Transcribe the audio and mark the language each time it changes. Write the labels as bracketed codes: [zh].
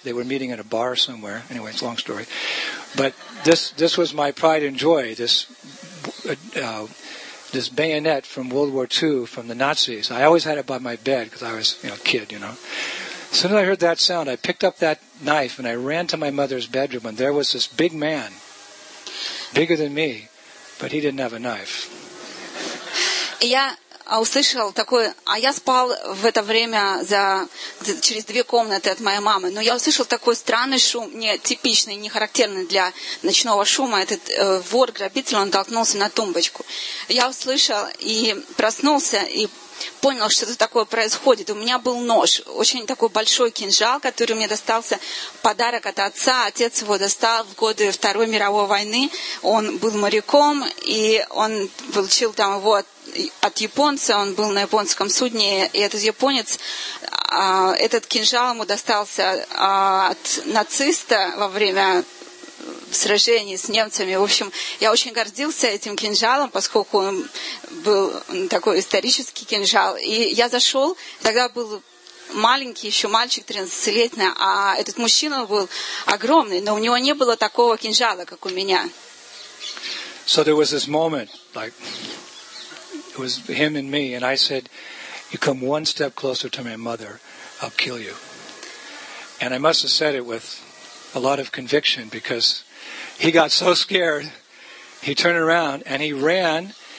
[en] They were meeting at a bar somewhere. Anyway, it's a long story. But this was my pride and joy, this bayonet from World War II from the Nazis. I always had it by my bed because I was, you know, a kid, you know. As soon as I heard that sound, I picked up that knife and I ran to my mother's bedroom, and there was this big man, bigger than me, but he didn't have a knife. [ru] Услышал такое, а я спал в это время через две комнаты от моей мамы, но я услышал такой странный шум, нетипичный, не характерный для ночного шума. Этот вор, грабитель, он толкнулся на тумбочку. Я услышал и проснулся, и понял, что это такое происходит. У меня был нож, очень такой большой кинжал, который мне достался подарок от отца. Отец его достал в годы Второй мировой войны. Он был моряком, и он получил там его от японца. Он был на японском судне, и этот японец, этот кинжал ему достался от нациста во время сражений с немцами. В общем, я очень гордился этим кинжалом, поскольку он был такой исторический кинжал. И я зашел, тогда был маленький еще мальчик, 13-летний, а этот мужчина был огромный, но у него не было такого кинжала, как у меня. [en] So there was this moment, like, it was him and me, and I said, you come one step closer to my mother, I'll kill you. And I must have said it with a lot of conviction, because he got so scared, he turned around and he ran